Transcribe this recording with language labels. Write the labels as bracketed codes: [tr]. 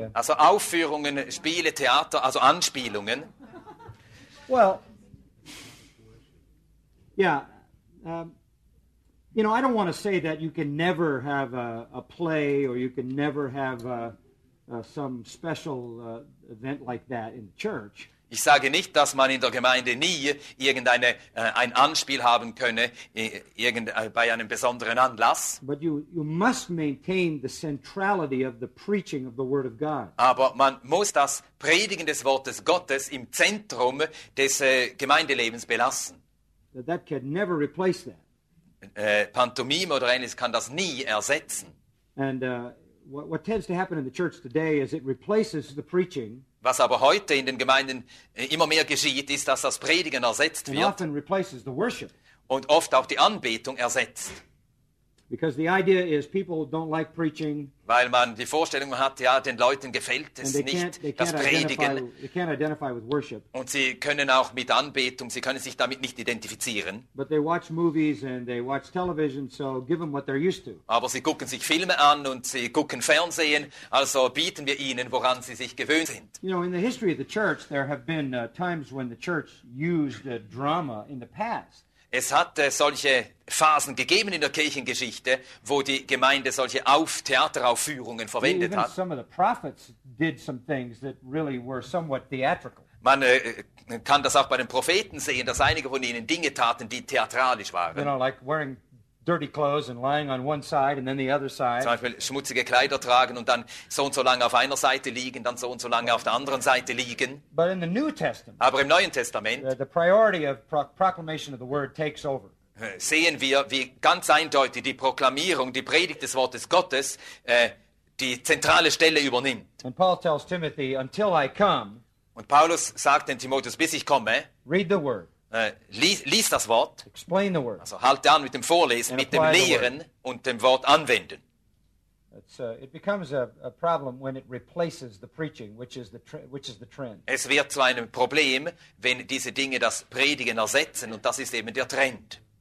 [de] Also Aufführungen, Spiele, Theater, also Anspielungen. [en] Well, yeah, you know, I don't want to say that you can never have a play or you can never have some special event like that in the church. [de] Ich sage nicht, dass man in der Gemeinde nie irgendeine ein Anspiel haben könne bei einem besonderen Anlass. [en] But you must maintain the centrality of the preaching of the Word of God. [de] Aber man muss das Predigen des Wortes Gottes im Zentrum des Gemeindelebens belassen. [en] That can never replace that. [de] Pantomime oder ähnliches kann das nie ersetzen. [en] And what tends to happen in the church today is it replaces the preaching. [de] Was aber heute in den Gemeinden immer mehr geschieht, ist, dass das Predigen ersetzt wird und oft auch die Anbetung ersetzt. [en] Because the idea is people don't like preaching. [de] Weil man die Vorstellung hat, ja, den Leuten gefällt es nicht, das Predigen. [en] They can't identify with worship. [de] Und sie können auch mit Anbetung, sie können sich damit nicht identifizieren. [en] But they watch movies and they watch television, so give them what they're used to. [de] Aber sie gucken sich Filme an und sie gucken Fernsehen, also bieten wir ihnen, woran sie sich gewöhnt sind. [en] You know, in the history of the church, there have been times when the church used drama in the past. [de] Es hat solche Phasen gegeben in der Kirchengeschichte, wo die Gemeinde solche Theateraufführungen verwendet hat. [en] Some of the prophets did some things that really were somewhat theatrical. [de] Man kann das auch bei den Propheten sehen, dass einige von ihnen Dinge taten, die theatralisch waren. [en] You know, like wearing dirty clothes and lying on one side and then the other side. [de] Zum Beispiel schmutzige Kleider tragen und dann so und so lange auf einer Seite liegen, dann so und so lange auf der anderen Seite liegen. [en] But in the New Testament, [de] aber im Neuen Testament, [en] the priority of proclamation of the word takes over. [de] Sehen wir, wie ganz eindeutig die Proklamierung, die Predigt des Wortes Gottes, die zentrale Stelle übernimmt. [en] And Paul tells Timothy, until I come, [de] und Paulus sagt den Timotheus, bis ich komme, [en] read the word. [de] Lies das Wort, [en] explain the word, [de] also halt an mit dem Vorlesen, mit dem Lehren und dem Wort anwenden. [en] It becomes a problem when it replaces the preaching, which is the trend. [de] Es wird zu einem Problem, wenn diese Dinge das Predigen ersetzen, und das ist eben der Trend.